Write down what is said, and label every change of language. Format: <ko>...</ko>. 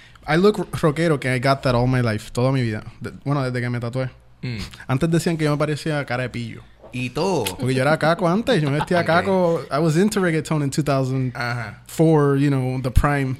<en>I look rockero, que I got that all my life.</en> <es>Toda mi vida. Bueno, desde que me tatué. Antes decían que yo me parecía cara de pillo. ¿Y todo? Porque yo era caco antes. Yo me vestía caco.</es> <en>I was into reggaeton in 2004, you know, the prime.</en>